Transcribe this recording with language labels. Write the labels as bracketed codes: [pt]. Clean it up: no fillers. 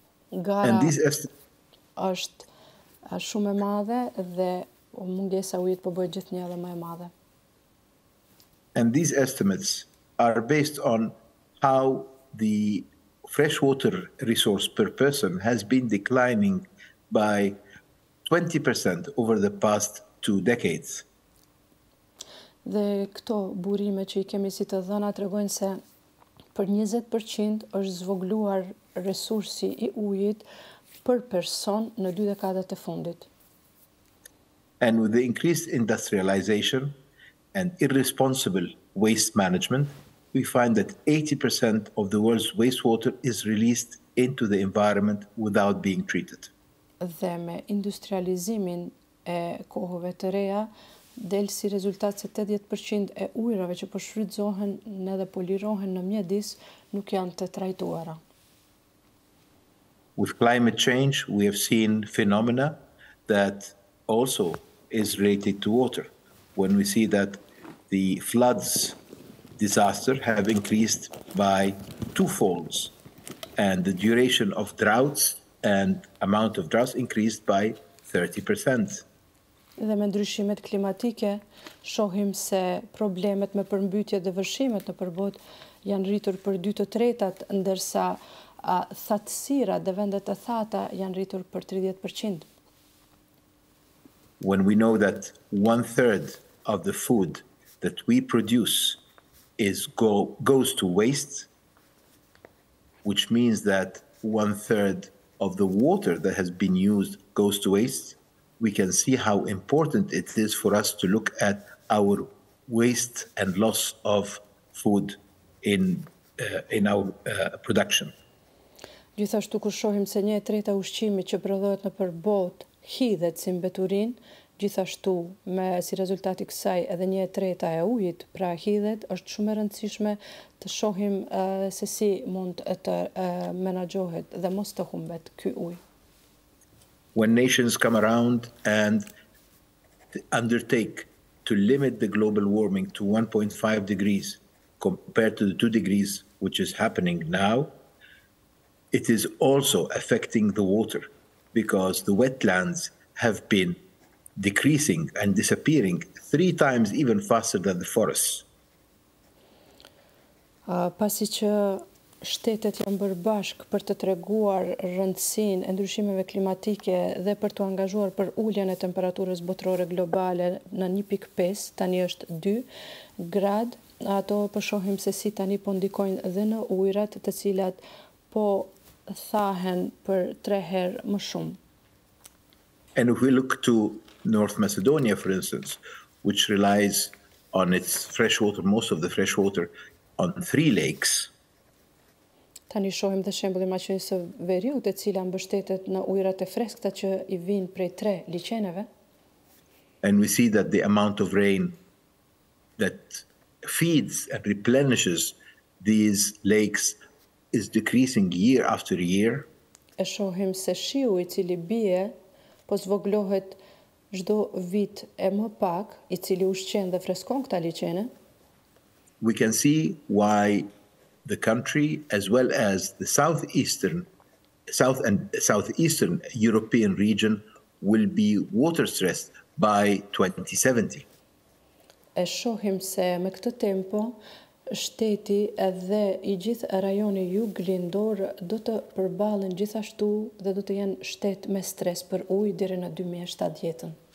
[sq] Është shumë e madhe dhe mungesa ujit po bëhet gjithnjë edhe më e madhe. [en] And these estimates are based on how the freshwater resource per person has been declining by 20% over the past two decades. [sq] Dhe këto burime që i kemi si të dhëna tregojnë se për 20% është zvogluar resursi i ujit për person në dy dekadat e fundit. [en] And with the increased industrialization and irresponsible waste management, we find that 80% of the world's wastewater is released into the environment without being treated. [sq] Dhe me industrializimin e kohëve të reja, del si rezultat se 80% e ujrave që përshfrytëzohen në dhe polirohen në mjedis nuk janë të trajtuara. [en] With climate change, we have seen phenomena that also is related to water. When we see that the floods disaster have increased by twofold and the duration of droughts and amount of droughts increased by 30%. [sq] Dhe me ndryshimet klimatike, shohim se problemet me përmbytje dhe vërshimet në përbot janë rritur për 2/3, ndërsa thatësira dhe vendet e thata janë rritur për 30%. [en] When we know that 1/3 of the food that we produce goes to waste, which means that 1/3 of the water that has been used goes to waste, we can see how important it is for us to look at our waste and loss of food in our production. [sq] Gjithashtu kur shohim se 1/3 ushqimit që prodhohet nëpër botë hidhet si mbeturin, gjithashtu me si rezultat i kësaj edhe 1/3 e ujit pra hidhet, është shumë e rëndësishme të shohim se si mund të menaxhohet dhe mos të humbet ky ujë. [en] When nations come around and undertake to limit the global warming to 1.5 degrees compared to the 2 degrees which is happening now, it is also affecting the water because the wetlands have been decreasing and disappearing 3 times even faster than the forests. [sq] Pasi që shtetet janë bërë bashk për të treguar rëndësinë e ndryshimeve klimatike dhe për të angazhuar për uljen e temperaturës botërore globale në 1.5, tani është 2 grad, ato përshohim se si tani po ndikojnë dhe në ujrat të cilat po thahen për 3 herë më shumë. [en] And if we look to North Macedonia, for instance, which relies on its freshwater, most of the freshwater, on 3 lakes. [sq] Tani shohim dhe shembullin e Maqedonisë së Veriut, e cila mbështetet në ujrat e freskëta që I vijnë prej 3 liçeneve. [en] And we see that the amount of rain that feeds and replenishes these lakes is decreasing year after year. [sq] E shohim se shiu I cili bie po zvoglohet çdo vit e më pak, I cili ushqen dhe freskon këta liçene. [en] We can see why the country, as well as the southeastern European region, will be water stressed by 2070. [sq] E shohim se me këtë tempo, shteti edhe I gjithë rajoni juglindor do të përballen gjithashtu dhe do të jenë shtet me stres për ujë deri në 2070-ën.